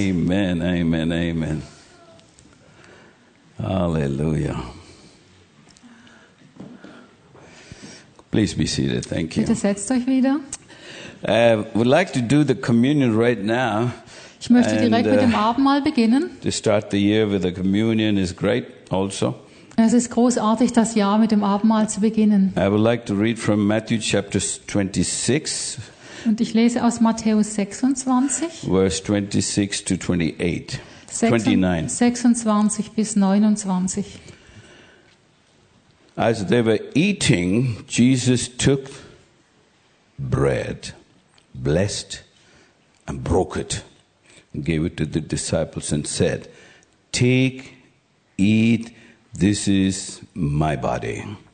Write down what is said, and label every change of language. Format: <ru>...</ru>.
<en>Amen, amen, amen. Hallelujah. Please be seated. Thank you.</en> <de>Bitte setzt euch wieder.</de> <en>I would like to do the communion right now.</en> <de>Ich möchte direkt mit dem Abendmahl beginnen.</de> <en>To start the year with the communion is great also.</en> <de>Es ist großartig, das Jahr mit dem Abendmahl zu beginnen.</de> <en>I would like to read from Matthew chapter 26.</en> <de>Und ich lese aus Matthäus 26.</de> <en>Verse 26 to 28.</en> <de>29. 26 bis 29.</de> <en>As they were eating, Jesus took bread, blessed and broke it, and gave it to the disciples and said, "Take, eat, this is my body."</en>